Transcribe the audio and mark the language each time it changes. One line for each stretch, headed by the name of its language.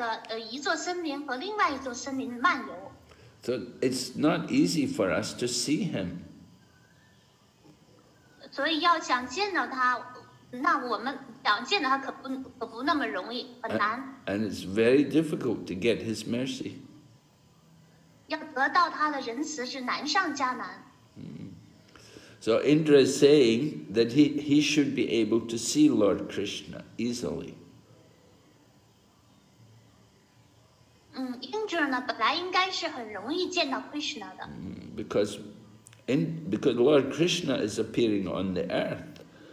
Chinese: 而当他在马图拉的时候呢，他有的时候在城里，他有，而有的时候呢，他又在Gokula的一座森林和另外一座森林漫游。
English: So it's not easy for us to see him.
Chinese: 所以要想见到他，那我们想见到他可不那么容易，很难。
English: And it's very difficult to get his mercy.
Chinese: 要得到他的仁慈是难上加难。
English: So Indra is saying that he should be able to see Lord Krishna easily.
Chinese: 嗯，Indra呢，本来应该是很容易见到Krishna的。
English: Because Lord Krishna is appearing on the earth.